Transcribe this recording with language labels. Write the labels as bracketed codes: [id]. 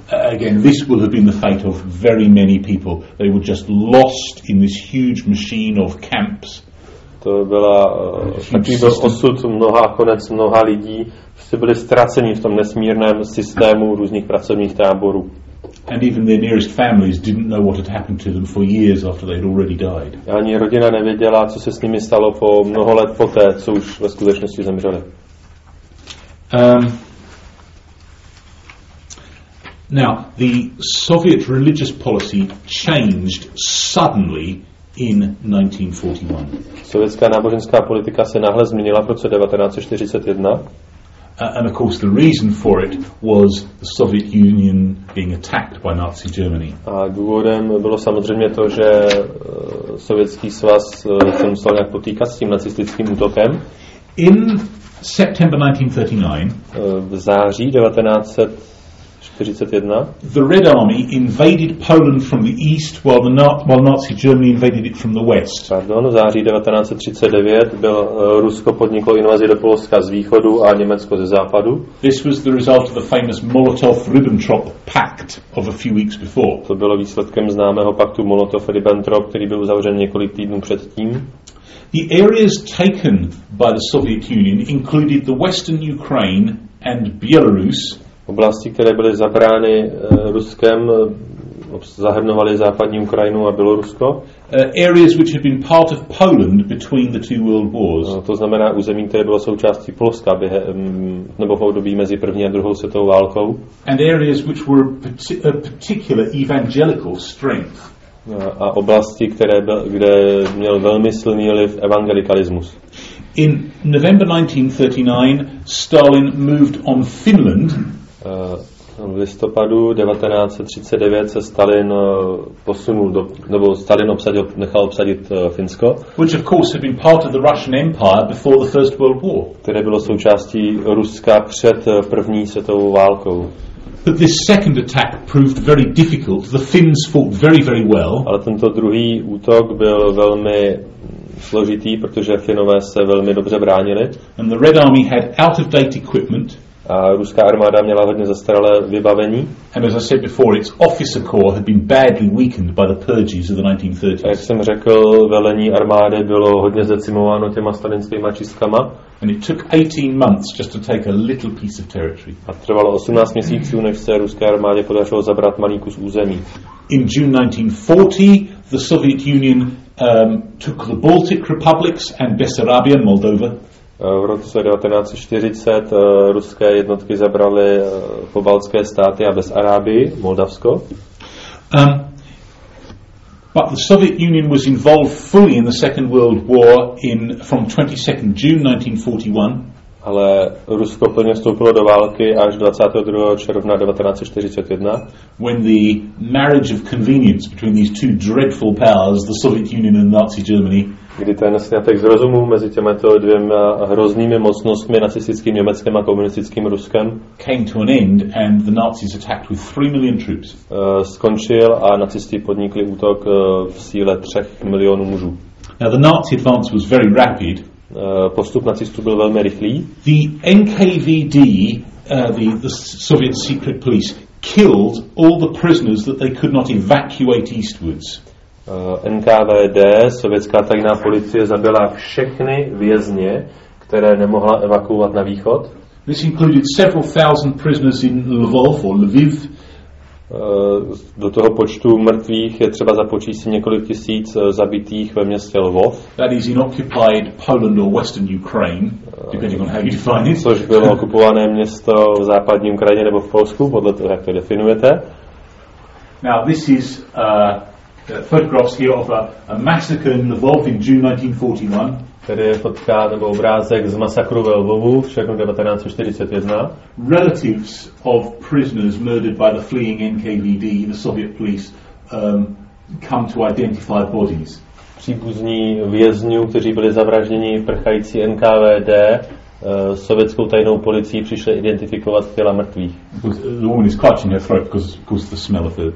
[en] Again, this would have been the fate of very many people. They were just lost in this huge machine of camps. [cs] To byla taky byl osud mnoha, konec mnoha lidí, všichni byli ztraceni v tom nesmírném systému různých pracovních táborů. [en] And even their nearest families didn't know what had happened to them for years after they'd already died. [cs] Ani rodina nevěděla, co se s nimi stalo po mnoho let poté, co už ve skutečnosti zemřeli. [en] Now, the Soviet religious policy changed suddenly in 1941. [cs] Sovětská náboženská politika se náhle změnila v roce 1941. [en] And of course the reason for it was the Soviet Union being attacked by Nazi Germany. [cs] A důvodem bylo samozřejmě to, že Sovětský svaz se musel nějak potýkat s tím nacistickým útokem. [en] In September 1939, [cs] v září 1941, [en] the Red Army invaded Poland from the east while Nazi Germany invaded it from the west. [cs] Pardon, v září 1939 byl Rusko podniklo invazi do Polska z východu a Německo ze západu. [en] This was the result of the famous Molotov-Ribbentrop pact of a few weeks before. [cs] To bylo výsledkem známého paktu Molotov-Ribbentrop, který byl uzavřen několik týdnů předtím. [en] The areas taken by the Soviet Union included the western Ukraine and Belarus. [cs] Oblasti, které byly zabrány Ruskem, zahrnovaly západní Ukrajinu a Bělorusko. [en] Areas which had been part of Poland between the two world wars. [cs] To znamená území, které bylo součástí Polska během nebo v období mezi první a druhou světovou válkou. [en] And areas which were a particular evangelical strength. [cs] A oblasti, které kde měl velmi silný vliv evangelikalismus. [en] In November 1939 Stalin moved on Finland. [cs] V listopadu 1939 se Stalin posunul do, nebo Stalin obsadil, nechal obsadit Finsko. [en] Which of course had been part of the Russian Empire before the First World War. [cs] Které bylo součástí Ruska před první světovou válkou. [en] But this second attack proved very difficult. The Finns fought very, very well. [cs] Ale tento druhý útok byl velmi složitý, protože Finové se velmi dobře bránili. [en] And the Red Army had out of date equipment. [cs] A ruská armáda měla hodně zastaralé vybavení. [en] And as I said before, its officer corps had been badly weakened by the purges of the 1930s. [cs] A jak jsem řekl, velení armády bylo hodně zdecimováno těma stalinskými čistkama. [en] And it took 18 months just to take a little piece of territory. [cs] A trvalo 18 měsíců, než se ruské armádě podařilo zabrat malý kus území. [en] In June 1940, the Soviet Union took the Baltic republics and Bessarabia, Moldova. [cs] V roce 1940 ruské jednotky zabraly pobaltské státy a Bessarábii, Moldavsko. [en] But the Soviet Union was involved fully in the Second World War in from 22nd June 1941. [cs] Ale Rusko plně vstoupilo do války až 22. června 1941. [en] When the marriage of convenience between these two dreadful powers, the Soviet Union and Nazi Germany, [cs] kdy ten sňatek z rozumu mezi těmito dvěma hroznými mocnostmi, nacistickým Německem a komunistickým Ruskem, [en] came to an end and the Nazis attacked with 3 million troops. [cs] Skončil a nacisti podnikli útok v síle 3 milionů mužů. [en] Now the Nazi advance was very rapid. [cs] Postup nacistů byl velmi rychlý. [en] The NKVD, the Soviet secret police, killed all the prisoners that they could not evacuate eastwards. [cs] NKVD, sovětská tajná policie, zabila všechny vězně, které nemohla evakuovat na východ. [en] This included several thousand prisoners in Lvov or Lviv. [cs] Do toho počtu mrtvých je třeba započíst několik tisíc zabitých ve městě Lvov. [en] That is in occupied Poland or Western Ukraine, depending on how you define it. [cs] Což bylo okupované město v západní Ukrajině nebo v Polsku, podle toho, jak to definujete. [en] Now this is photographs here of a massacre in Lvov in June 1941. [cs] Tady je fotka nebo obrázek z masakru ve Lvovu v červnu 1941. [en] Relatives of prisoners murdered by the fleeing NKVD, the Soviet police, come to identify bodies. [cs] Příbuzní vězňů, kteří byli zavražděni prchající NKVD, sovětskou tajnou policií přišli identifikovat těla mrtvých. [en] The woman is clutching her throat because the smell of